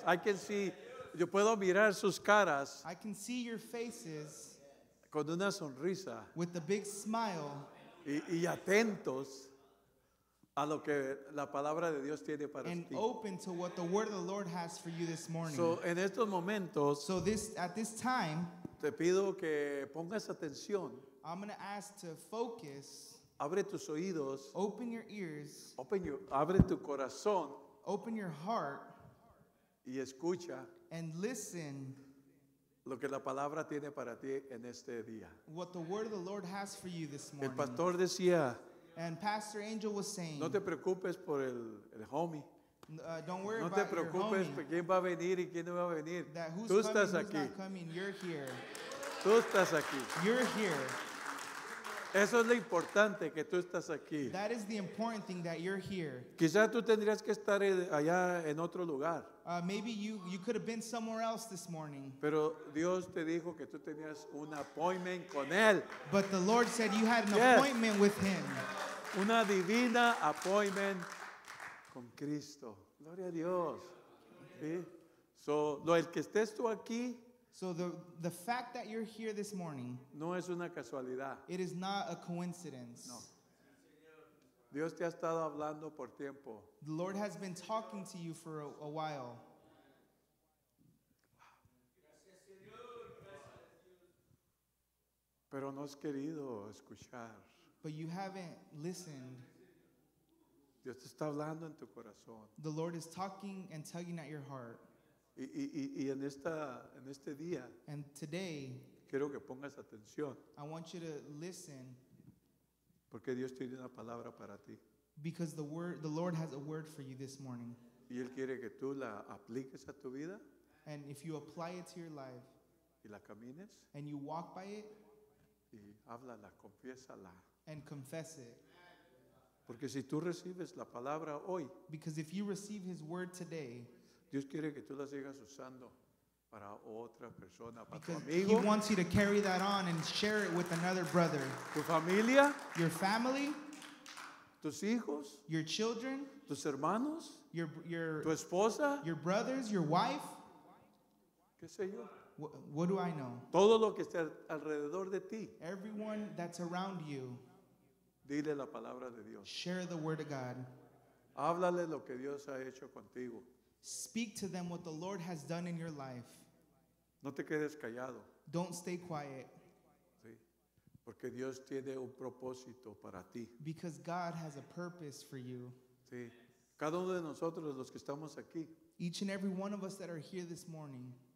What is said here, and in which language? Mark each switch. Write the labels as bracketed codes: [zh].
[en] I can see, [es] yo puedo mirar sus caras. [en] I can see your faces. [es] Con una sonrisa. [en] With a big smile. [es] Y atentos a lo que la palabra de Dios tiene para [en] and [es] ti. [en] And open to what the word of the Lord has for you this morning. [es] So en estos momentos. [en] So this, at this time. [es] Te pido que pongas atención. [en] I'm going to ask to focus. [es] Abre tus oídos. [en] Open your ears. [es] Abre tu corazón. [en] Open your heart. [es] Y escucha. [en] And listen. [es] Lo que la palabra tiene para ti en este día. [en] What the word of the Lord has for you this morning. [es] El pastor decía. [en] And Pastor Angel was saying. [es] No te preocupes por el homie. [en] Don't worry [es] no [en] about [es] te preocupes [en] your homie. [es] Quién va a venir y quién no va a venir. [en] That who's [es] tú [en] coming, [es] estás [en] who's [es] aquí. [en] Not coming. You're here. [es] Tú estás aquí. [en] You're here. [es] Eso es lo importante, que tú estás aquí. [en] That is the important thing, that you're here. [es] Quizá tú tendrías que estar allá en otro lugar. [en] Maybe you could have been somewhere else this morning. [es] Pero Dios te dijo que tú tenías un appointment con él. [en] But the Lord said you had an yes. appointment with him. [es] Una divina appointment con Cristo. Gloria a Dios. ¿Sí? So, lo el que estés tú aquí. [en] So the fact that you're here this morning, [es] no es una casualidad. [en] It is not a coincidence. [es] No. Dios te ha estado hablando por tiempo. [en] The Lord has been talking to you for a while. [es] Pero no has querido escuchar. [en] But you haven't listened. [es] Dios te está hablando en tu corazón. [en] The Lord is talking and tugging at your heart. [es] Y en este día, [en] and today, [es] quiero que pongas atención, [en] I want you to listen, [es] porque Dios tiene una palabra para ti. [en] Because the Lord has a word for you this morning. [es] Y él quiere que tú la apliques a tu vida, [en] and if you apply it to your life, [es] y la camines, [en] and you walk by it, [es] y háblala, confiésala, [en] and confess it. [es] Porque si tú recibes la palabra hoy, [en] because if you receive his word today, [es] Dios quiere que tú la sigas usando para otra persona, para [en] because [es] tu amigo. [en] He wants you to carry that on and share it with another brother. [es] Tu familia. [en] Your family. [es] Tus hijos. [en] Your children. [es] Tus hermanos. [en] Your [es] tu esposa. [en] Your brothers, your wife. [es] ¿Qué sé yo? [en] What do I know? [es] Todo lo que esté alrededor de ti. [en] Everyone that's around you. [es] Dile la palabra de Dios. [en] Share the word of God. [es] Háblale lo que Dios ha hecho contigo. [en] Speak to them what the Lord has done in your life. [es] No te quedes callado. [en] Don't stay quiet. [es] Sí. Porque Dios tiene un propósito para ti. [en] Because God has a purpose for you. [es] Sí. Cada uno de nosotros, los que estamos aquí. [en] Each and every one of us that are here this morning.